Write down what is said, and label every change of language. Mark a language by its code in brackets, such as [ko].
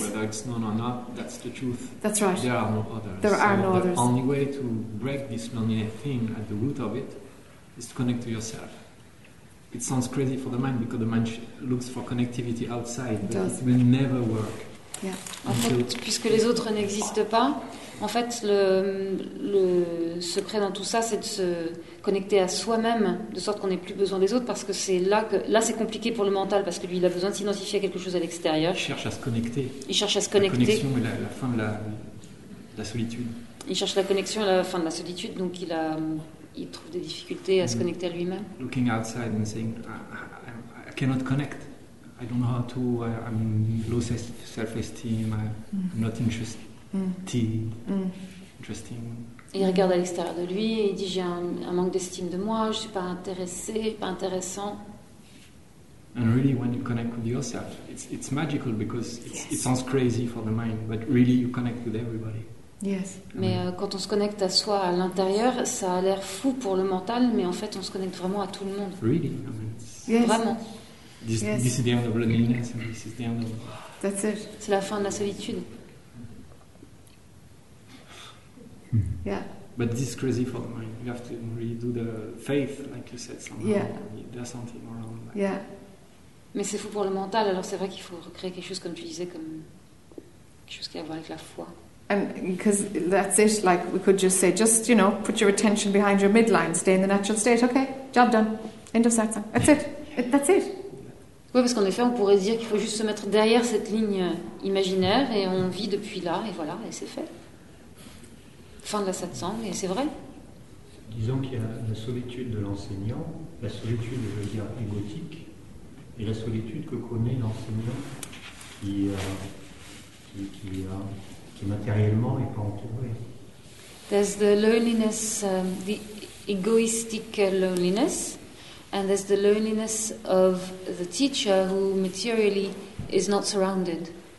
[en] Whether it's known or not, that's the truth. That's right. There are no others. There are so no the others. The only way to break this loneliness thing at the root of it is to connect to yourself. It sounds crazy for the mind because the mind looks for connectivity outside, but it will never work. Yeah. [fr] En fait, puisque les autres n'existent pas, en fait, le secret dans tout ça, c'est de se connecter à soi-même, de sorte qu'on n'ait plus besoin des autres, parce que c'est là que... Là, c'est compliqué pour le mental, parce que lui, il a besoin de s'identifier à quelque chose à l'extérieur. Il cherche à se connecter. Il cherche à se connecter. La connexion et la fin de la solitude. Il cherche la connexion et la fin de la solitude, donc il trouve des difficultés à se connecter à lui-même. [en] Looking outside and saying, I cannot connect. I don't know how to, I'm low self-esteem, I'm not interested. Interesting. [fr] Il regarde à l'extérieur de lui et il dit j'ai un manque d'estime de moi, je ne suis pas intéressé, pas intéressant. [en] And really when you connect with yourself, it's magical because it sounds crazy for the mind, but really you connect with everybody. Yes. [fr] Mais quand on se connecte à soi à l'intérieur, ça a l'air fou pour le mental, mais en fait on se connecte vraiment à tout le monde. [en] Really? [fr] Vraiment. [en] This is the end of loneliness and this is the end of... That's it. [fr] C'est la fin de la solitude. [en] Yeah. But this is crazy for the mind. You have to really do the faith, like you said, somehow. Yeah. There's something around that. Yeah. [fr] Mais c'est fou pour le mental, alors c'est vrai qu'il faut recréer quelque chose, comme tu disais, comme quelque chose qui a à voir avec la foi. [en] And because that's it, like we could just say, just, you know, put your attention behind your midline, stay in the natural state, okay, job done, end of satsang. That's it. That's it. [fr] Oui, parce qu'en effet, on pourrait dire qu'il faut juste se mettre derrière cette ligne imaginaire et on vit depuis là, et voilà, et c'est fait. Fin de la satsang, et c'est vrai. Disons qu'il y a la solitude de l'enseignant, la solitude, je veux dire, égotique, et la solitude que connaît l'enseignant qui matériellement n'est pas entouré. [en] There's the loneliness, the egoistic loneliness, and there's the loneliness of the teacher who materially is not surrounded.